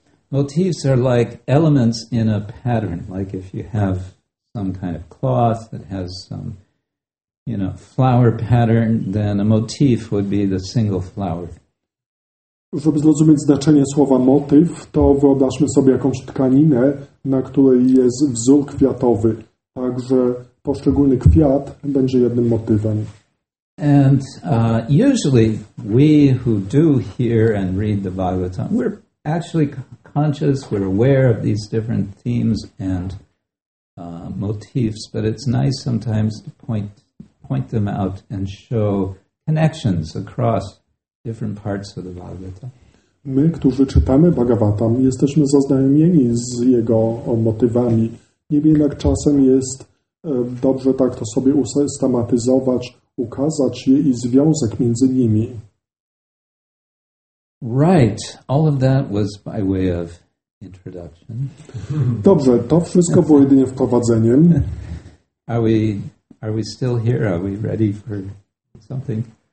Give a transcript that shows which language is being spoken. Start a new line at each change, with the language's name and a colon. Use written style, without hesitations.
English: Motifs are like elements in a pattern, like if you have some kind of cloth that has some, you know, flower pattern, then a motif would be the single flower.
Polish: Żeby zrozumieć znaczenie słowa motyw, to wyobraźmy sobie jakąś tkaninę, na której jest wzór kwiatowy. Także poszczególny kwiat będzie jednym motywem.
English: And usually we who do hear and read the Bhagavatam, we're actually conscious, we're aware of these different themes and motifs, but it's nice sometimes to point them out and show connections across different parts of the Bhagavatam.
Polish: My, którzy czytamy Bhagavatam, jesteśmy zaznajomieni z jego motywami. Niemniej jednak czasem jest dobrze tak to sobie usystematyzować, ukazać je i związek między nimi.
English: Right. All of that was by way of introduction.
Polish: Dobrze, to wszystko było jedynie wprowadzeniem.
English: Are we still here? Are we ready for something?